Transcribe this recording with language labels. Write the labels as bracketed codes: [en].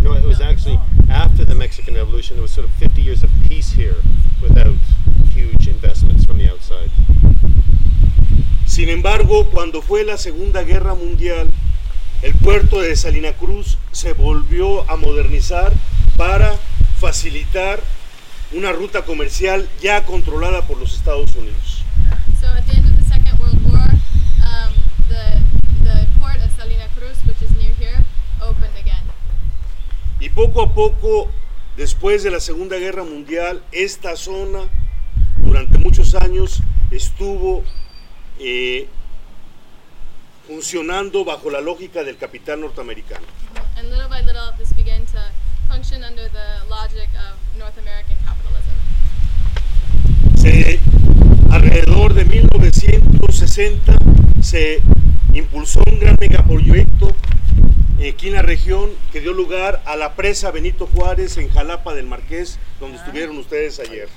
[en] No, it was actually after the Mexican Revolution, there was sort of 50 years of peace here without huge investments from the outside. [es] Sin embargo, cuando fue la Segunda Guerra Mundial, el puerto de Salina Cruz se volvió a modernizar para facilitar una ruta comercial ya controlada por los Estados Unidos. [en] So at the end of the Second World War, the port of Salina Cruz, which is near here, opened again. [es] Y poco a poco, después de la Segunda Guerra Mundial, esta zona durante muchos años estuvo funcionando bajo la lógica del capital norteamericano. [en] And little by little, this began to function under the logic of North American capitalism. [es] Se, alrededor de 1960 se impulsó un gran megaproyecto aquí en la región que dio lugar a la presa Benito Juárez en Jalapa del Marqués, donde estuvieron ustedes ayer.